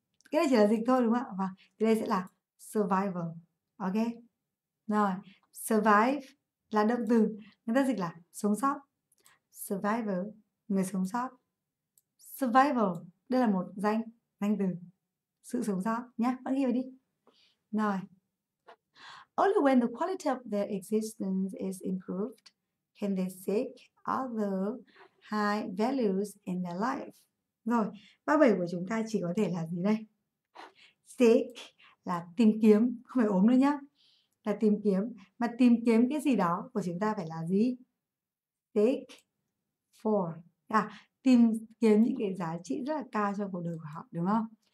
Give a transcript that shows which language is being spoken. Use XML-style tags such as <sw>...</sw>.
<vi>Cái này chỉ là dịch thôi đúng không ạ? Và cái đây sẽ là survival. Ok. Rồi, survive là động từ, người ta dịch là sống sót. Survival, người sống sót. Survival, đây là một danh danh từ sự sống sót nhá, bạn ghi vào đi. Rồi.</vi> <en>Only when the quality of their existence is improved can they seek other high values in their life.</en> <vi>Rồi, 37 của chúng ta chỉ có thể là gì đây? Seek là tìm kiếm, không phải ốm nữa nhá. Là tìm kiếm, mà tìm kiếm cái gì đó của chúng ta phải là gì? Seek for. À, tìm kiếm những cái giá trị rất là cao cho cuộc đời của họ, đúng không?</vi>